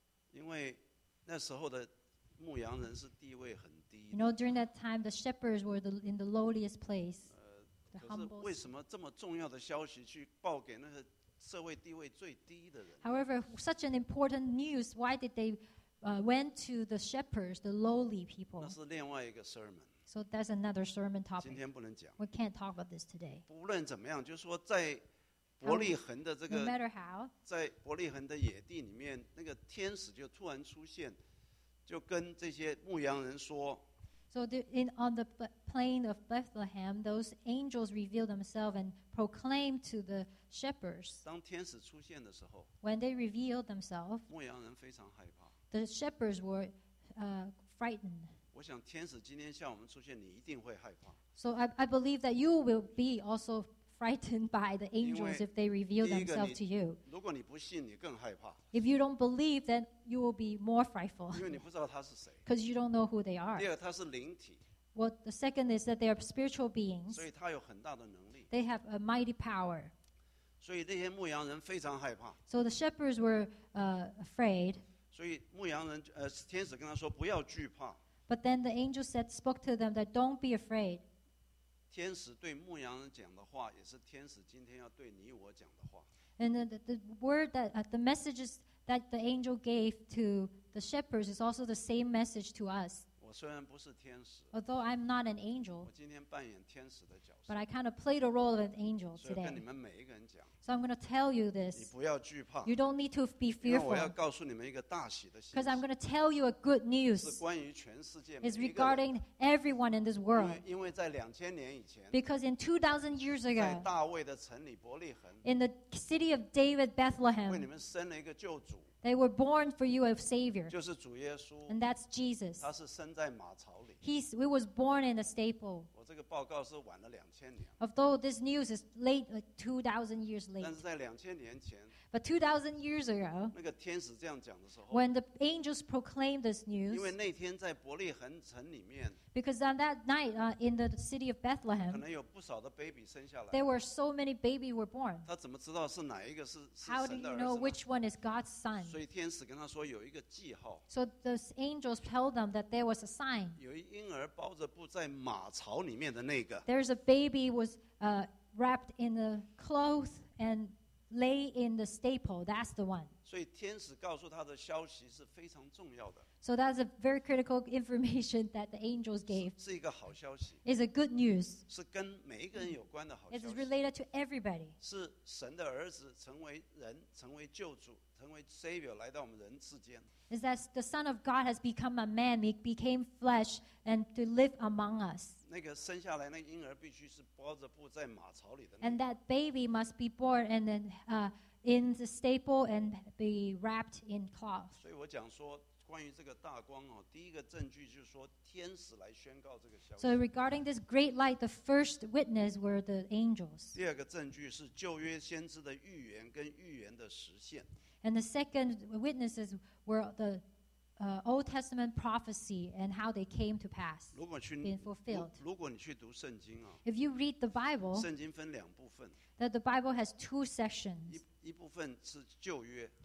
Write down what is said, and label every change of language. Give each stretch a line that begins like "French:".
Chinese: 因为那时候的牧羊人是地位很低。
English: You know, during that time, the shepherds were in the lowliest place.
Chinese: 可是为什么这么重要的消息去报给那个社会地位最低的人？
English: However, such an important news, why did they went to the shepherds, the lowly people?
Chinese: 那是另外一个 sermon.
English: So that's another sermon topic.
Chinese: 今天不能讲。
English: We can't talk about this today.
Chinese: 不论怎么样，就是说在伯利恒的这个，
English: no matter how,
Chinese: 在伯利恒的野地里面，那个天使就突然出现，就跟这些牧羊人说。
English: So on the plain of Bethlehem, those angels reveal themselves and proclaim to the shepherds.
Chinese: 当天使出现的时候，
English: when they revealed themselves,
Chinese: 牧羊人非常害怕。
English: The shepherds were frightened.
Chinese: 我想天使今天向我们出现，你一定会害怕。
English: So I believe that you will be also frightened by the angels if they reveal themselves to you.
Chinese: 如果你不信，你更害怕。
English: If you don't believe, then you will be more frightful.
Chinese: 因为你不知道他是谁。
English: Because you don't know who they are.
Chinese: 第二，他是灵体。
English: Well, the second is that they are spiritual beings.
Chinese: 所以他有很大的能力。
English: They have a mighty power.
Chinese: 所以那些牧羊人非常害怕。
English: So the shepherds were afraid.
Chinese: 所以牧羊人天使跟他说不要惧怕。
English: But then the angel said, spoke to them that don't be afraid.
Chinese: 天使对牧羊人讲的话也是天使今天要对你我讲的话。
English: And the word that the messages that the angel gave to the shepherds is also the same message to us.
Chinese: 我虽然不是天使。
English: Although I'm not an angel.
Chinese: 我今天扮演天使的角色。
English: But I kind of play the role of an angel today.
Chinese: 所以跟你们每一个人讲。
English: So I'm going to tell you this.
Chinese: 你不要惧怕。
English: You don't need to be fearful.
Chinese: 因为我要告诉你们一个大喜的信息。
English: Because I'm going to tell you a good news.
Chinese: 是关于全世界每一个人。
English: It's regarding everyone in this world.
Chinese: 因为在2000年以前。
English: Because in 2000 years ago.
Chinese: 在大卫的城里伯利恒。
English: In the city of David, Bethlehem.
Chinese: 为你们生了一个救主。
English: They were born for you a savior.
Chinese: 就是主耶稣。
English: And that's Jesus.
Chinese: 他是生在马槽里。
English: He was born in a stable.
Chinese: 我这个报告是晚了2000年。
English: Although this news is late, like 2000 years late.
Chinese: 但是在2000年前。
English: But 2000 years ago.
Chinese: 那个天使这样讲的时候。
English: When the angels proclaimed this news.
Chinese: 因为那天在伯利恒城里面。
English: Because on that night, in the city of Bethlehem.
Chinese: 可能有不少的 baby 生下来。
English: There were so many babies were born.
Chinese: 他怎么知道是哪一个是神的儿子呢？
English: How do you know which one is God's son?
Chinese: 所以天使跟他说有一个记号。
English: So the angels told them that there was a sign.
Chinese: 有一婴儿包着布在马槽里面的那个。
English: There's a baby was wrapped in the cloth and lay in the stable. That's the one.
Chinese: 所以天使告诉他的消息是非常重要的。
English: So that's a very critical information that the angels gave.
Chinese: 是一个好消息。
English: It's a good news.
Chinese: 是跟每一个人有关的好消息。
English: It's related to everybody.
Chinese: 是神的儿子成为人，成为救主。成为 Savior 来到我们人世间。
English: Is that the Son of God has become a man? He became flesh and to live among us.
Chinese: 那个生下来那个婴儿必须是包着布在马槽里的。
English: And that baby must be born and then in the stable and be wrapped in cloth.
Chinese: 所以我讲说关于这个大光哦，第一个证据就是说天使来宣告这个消息。
English: So regarding this great light, the first witness were the angels.
Chinese: 第二个证据是旧约先知的预言跟预言的实现。
English: And the second witnesses were the Old Testament prophecy and how they came to pass, been fulfilled.
Chinese: 如果你去读圣经啊,
English: if you read the Bible,
Chinese: 圣经分两部分,
English: that the Bible has two sections.
Chinese: 一部分是旧约,